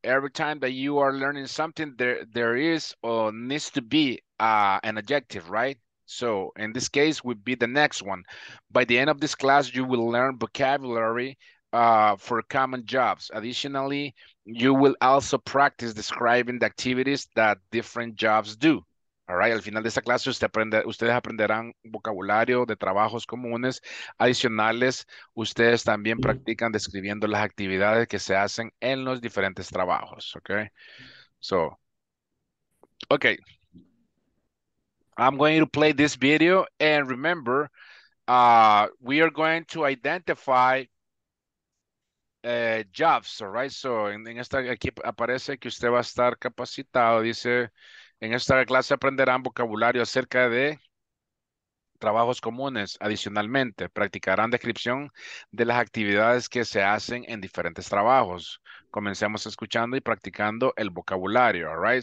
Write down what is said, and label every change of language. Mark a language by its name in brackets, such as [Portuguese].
[English] Every time that you are learning something, there is or needs to be an objective, right? So in this case, would be the next one. By the end of this class, you will learn vocabulary for common jobs. Additionally, you will also practice describing the activities that different jobs do. All right, [Spanish] al final de esta clase ustedes aprenderán vocabulario de trabajos comunes. Adicionales, ustedes también practican describiendo las actividades que se hacen en los diferentes trabajos, okay? [English] So, okay. I'm going to play this video and remember, we are going to identify jobs, all right? [Spanish] So, en esta aquí aparece que usted va a estar capacitado. Dice, en esta clase aprenderán vocabulario acerca de trabajos comunes. Adicionalmente, practicarán descripción de las actividades que se hacen en diferentes trabajos. Comencemos escuchando y practicando el vocabulario, [English] all right?